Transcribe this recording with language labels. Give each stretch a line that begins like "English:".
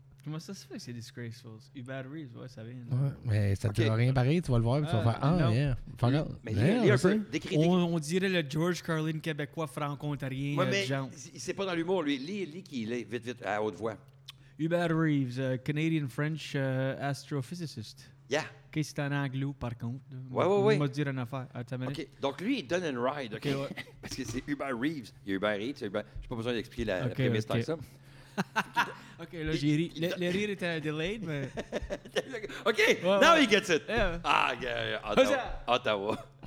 French: Comment ça se fait que c'est disgraceful? Hubert Reeves, ouais, ça vient. Ouais, mais ça te dit rien pareil, tu vas le voir, tu vas faire « Ah, non.
English: Yeah, fuck out. »
French: Mais lis un peu. On dirait le George Carlin québécois franco-ontarien. Ouais, mais c'est pas dans l'humour, lui. Lis qui il est, vite, à haute voix.
English: Hubert Reeves, Canadian-French astrophysicist. Yeah.
French: Okay, c'est un anglo, par contre. Ouais. On va te dire une affaire. Attends, OK. Donc, lui, il donne une ride, OK? Parce que c'est Hubert Reeves. Il y a Hubert Reeves. J'ai pas besoin d'expliquer la prémisse tant que ça. OK, là, j'ai ri. Le rire était delayed, mais...
English: OK, ouais, now he gets it. Yeah. Ah, yeah. Ottawa.